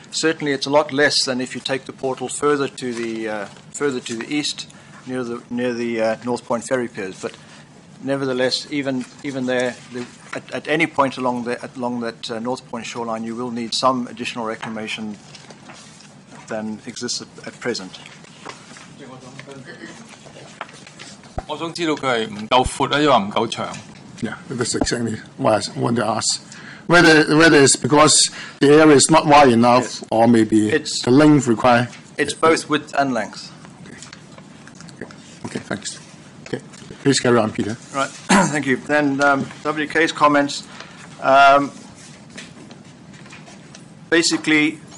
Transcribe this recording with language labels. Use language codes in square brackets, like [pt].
[en] Certainly it's a lot less than if you take the portal further to the east near the North Point ferry piers. But nevertheless, even there, at any point along that North Point shoreline, you will need some additional reclamation than exists at present. [yue] 我想知道佢係唔夠闊咧，亦或唔夠長。 [en] Yeah, that's exactly what I want to ask. Whether it's because the area is not wide enough, yes, or maybe it's the length required. It's both width and length. Okay, thanks. Okay, please carry on, Peter. Right, thank you. Then WK's comments. Basically,